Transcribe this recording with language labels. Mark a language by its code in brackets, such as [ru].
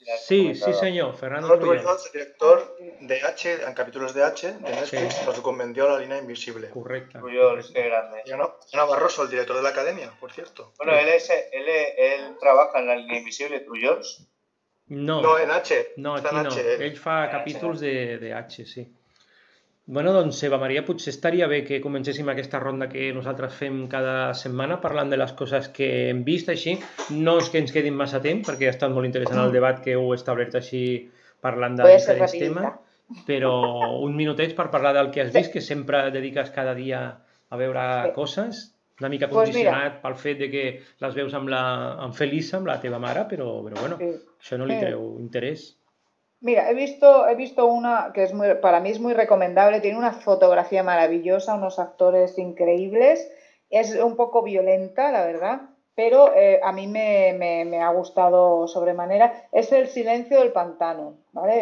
[ca] Sí, senyor, Fernando Trullols, [es] director de H, en capítulos de H, de Netflix, sí. Nos recomendó la Línia Invisible. [ca] Correcte. [es] Trullols, qué grande. Ana Barroso, el director de la Academia, por cierto. Bueno, él trabaja en la Línia Invisible, Trullols. No. No, en H. [ca] No, aquí no. Ell fa capítols de H, sí. Bueno, doncs, Eva Maria, potser estaria bé que comencéssim aquesta ronda que nosaltres fem cada setmana parlant de les coses que hem vist així. No és que ens quedin massa temps, perquè ha estat molt interessant el debat que heu establert així parlant de diferents temes. Però un minuteig per parlar del que has vist, que sempre dediques cada dia a veure coses. Una mica condicionat pel fet de que les veus amb Felisa, amb la teva mare, però bueno, això no li treu interès. [es] Mira, he visto una que es muy, para mí es muy recomendable, tiene una fotografía maravillosa, unos actores increíbles, es un poco violenta, la verdad, pero a mí me ha gustado sobremanera, es El silencio del pantano, ¿vale?